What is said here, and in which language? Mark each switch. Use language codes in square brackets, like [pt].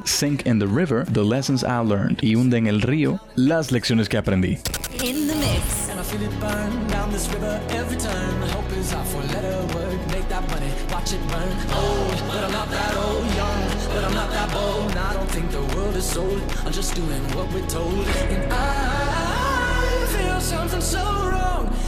[en] Sink in the river, the lessons I learned. [es] Y hunde en el río las lecciones que aprendí. [en] In the mix. And I feel it burn down this river every turn. Hope is out for letter word. Make that money, watch it burn. Old, but I'm not that old. Young, but I'm not that bold. I don't think the world is sold. I'm just doing what we're told. And I feel something so wrong.